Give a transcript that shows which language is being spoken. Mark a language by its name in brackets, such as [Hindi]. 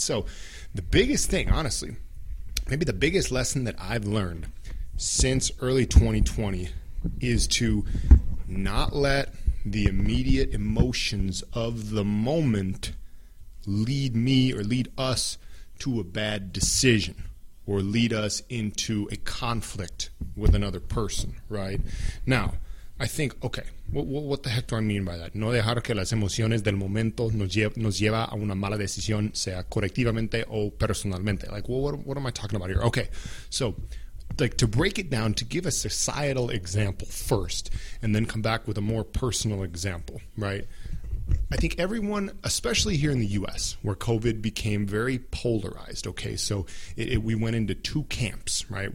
[English] So the biggest thing, honestly, maybe the biggest lesson that I've learned since early 2020 is to not let the immediate emotions of the moment lead me or lead us to a bad decision. Or lead us into a conflict with another person, right? Now, I think, okay, what the heck do I mean by that? [Spanish] No dejar que las emociones del momento nos lleva a una mala decisión, sea colectivamente o personalmente. [English] Like, well, what am I talking about here? Okay, so, like, to break it down, to give a societal example first, and then come back with a more personal example, right? I think everyone, especially here in the U.S., where COVID became very polarized, okay, so we went into two camps, right?